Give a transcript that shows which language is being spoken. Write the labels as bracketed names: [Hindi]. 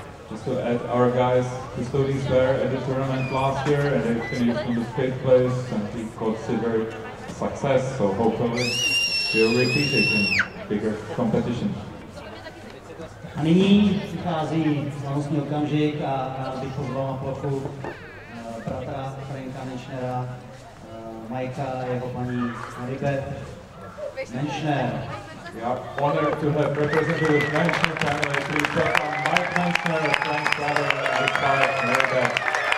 [English] Just to add our guys, the students there at the tournament last year, and they finished on the 5th place, and we consider it a success, so hopefully we'll repeat it in bigger competition. [Czech] A nyní přichází slavnostní okamžik a bych pozval na plochu bratra Franka Menschnera, Majka a jeho paní Maribeth Menschner. [English] We are honored to have represented the Menschner family to welcome Mike Menschner, Frank's brother, and his wife Maribeth.